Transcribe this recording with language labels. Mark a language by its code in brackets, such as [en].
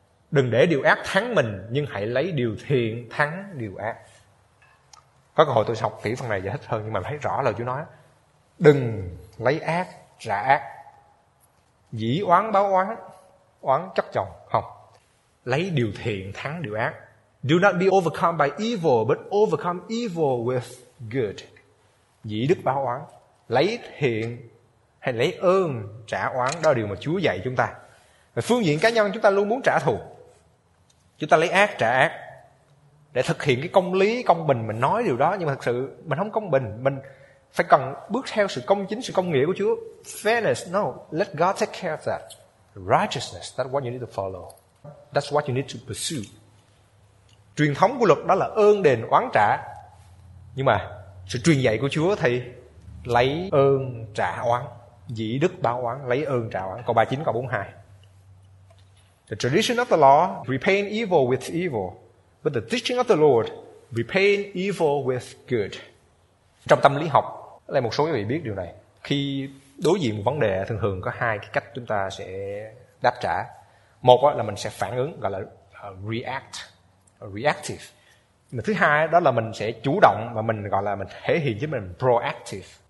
[vi] Đừng để điều ác thắng mình, nhưng hãy lấy điều thiện thắng điều ác. Có cơ hội tôi học kỹ phần này giải thích hơn, nhưng mà thấy rõ lời Chúa nói. Đừng lấy ác trả ác, dĩ oán báo oán, oán chất chồng. Không, lấy điều thiện thắng điều ác. [en] Do not be overcome by evil, but overcome evil with good. [vi] Dĩ đức báo oán, lấy thiện hay lấy ơn trả oán. Đó là điều mà Chúa dạy chúng ta. Về phương diện cá nhân, chúng ta luôn muốn trả thù. Chúng ta lấy ác trả ác để thực hiện cái công lý, công bình. Mình nói điều đó, nhưng mà thật sự mình không công bình. Mình phải cần bước theo sự công chính, sự công nghĩa của Chúa. [en] Fairness, no, let God take care of that. Righteousness, that's what you need to follow. That's what you need to pursue. [vi] Truyền thống của luật đó là ơn đền oán trả. Nhưng mà sự truyền dạy của Chúa thì lấy ơn trả oán, dĩ đức báo oán, lấy ơn trả oán. Câu 39, câu 42. [en] The tradition of the law, repay evil with evil. But the teaching of the Lord, repay evil with good. [vi] Trong tâm lý học, lại một số quý vị biết điều này. Khi đối diện một vấn đề, thường thường có hai cái cách chúng ta sẽ đáp trả. Một là mình sẽ phản ứng, gọi là react, reactive. Mà thứ hai đó là mình sẽ chủ động, và mình gọi là mình thể hiện chính mình proactive.